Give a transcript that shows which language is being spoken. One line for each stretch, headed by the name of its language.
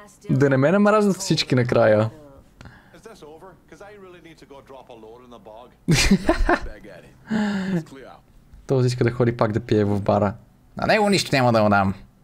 Bulgarian: Да не ме намразват всички накрая.
English: Over because I really need to go drop a load in the bog.
Bulgarian: Този иска да ходи пак да пие в бара. На него нищо няма да му дам.